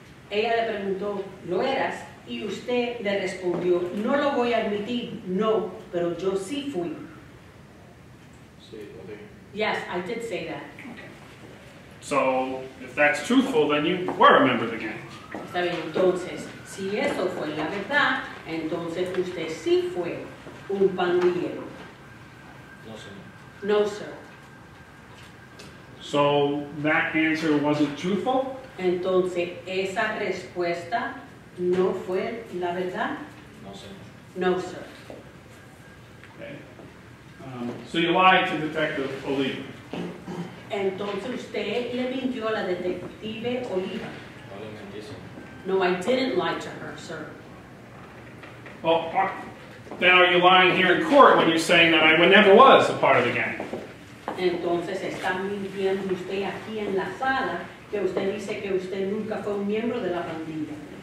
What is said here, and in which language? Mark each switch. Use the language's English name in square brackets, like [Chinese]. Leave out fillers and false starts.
[Spanish] Ella le preguntó, ¿lo eras? Y usted le respondió, no lo voy a admitir, no, pero yo sí fui. [English] Yes, I did say that. Okay. So, if that's truthful, then you were a member of the gang. [Spanish] Está bien, entonces, si eso fue la verdad, entonces usted sí fue un pandillero. [English] No, sir. No, sir. So, that answer wasn't truthful? [Spanish] Entonces, esa respuesta no fue la verdad? [English] No, sir. No, sir. So you lied to Detective Oliva. [Spanish] Entonces usted le mintió a la detective Oliva. [English] No, I didn't lie to her, sir. Well, then are you lying here in court when you're saying that I never was a part of the gang? [Spanish] Entonces está mintiendo usted aquí en la sala que usted dice que usted nunca fue un miembro de la pandilla.